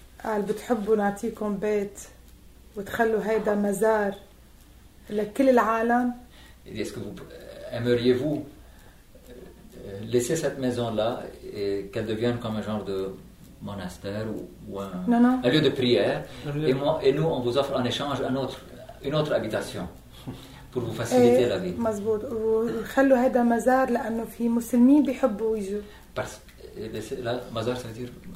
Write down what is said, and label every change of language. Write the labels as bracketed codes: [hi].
[ar] قال بتحبوا نعطيكم بيت وتخلوا هيدا مزار لكل العالم. [fr] Est-ce que vous aimeriez-vous laisser cette maison-là et qu'elle devienne comme un genre de monastère ou un lieu de prière et moi et nous on vous offre en échange une autre habitation pour vous faciliter la vie. [ar] مزبوط وخلوا هيدا مزار لأنه في مسلمين بيحبوا يجوا. [fr] Parce que la mazar ça veut dire